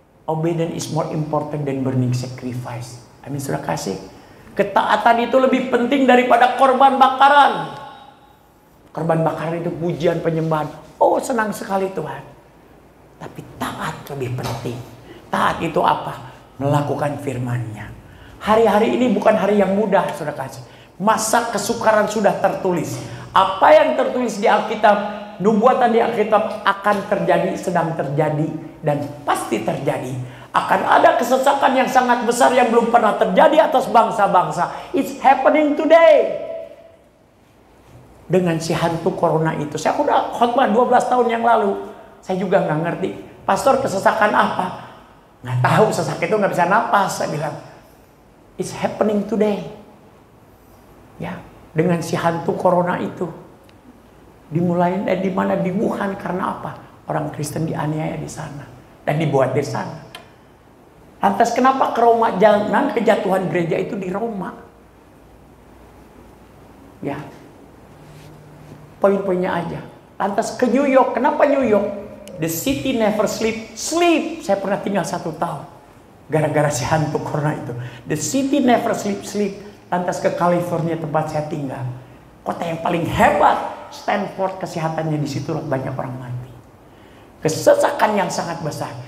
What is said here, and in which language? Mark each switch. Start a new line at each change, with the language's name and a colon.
English: Obedience is more important than burning sacrifice.
Indonesian: Amin. Sudah kasih. Ketaatan itu lebih penting daripada korban bakaran. Korban bakaran itu pujian penyembahan. Oh, senang sekali Tuhan. Tapi taat lebih penting. Taat itu apa? Melakukan firman-Nya. Hari-hari ini bukan hari yang mudah, sudah kasih. Masa kesukaran sudah tertulis. Apa yang tertulis di Alkitab, nubuatan di Alkitab akan terjadi, sedang terjadi, dan pasti terjadi. Akan ada kesesakan yang sangat besar yang belum pernah terjadi atas bangsa-bangsa.
English: It's happening today.
Indonesian: Dengan si hantu corona itu. Saya udah khotbah 12 tahun yang lalu. Saya juga gak ngerti. Pastor, kesesakan apa? Gak tahu, sesak itu gak bisa napas. Saya bilang,
English: it's happening today.
Indonesian: Ya, dengan si hantu corona itu. Dimulai dari mana? Di Wuhan. Karena apa? Orang Kristen dianiaya di sana. Dan dibuat di sana. Lantas kenapa ke Roma? Jangan kejatuhan gereja itu di Roma. Ya, poin-poinnya aja. Lantas ke New York, kenapa New York?
English: The city never sleep. Sleep,
Indonesian: saya pernah tinggal 1 tahun. Gara-gara si hantu corona itu.
English: The city never sleep, sleep.
Indonesian: Lantas ke California, tempat saya tinggal. Kota yang paling hebat, Stanford, kesehatannya di situ banyak orang mati. Kesesakan yang sangat besar.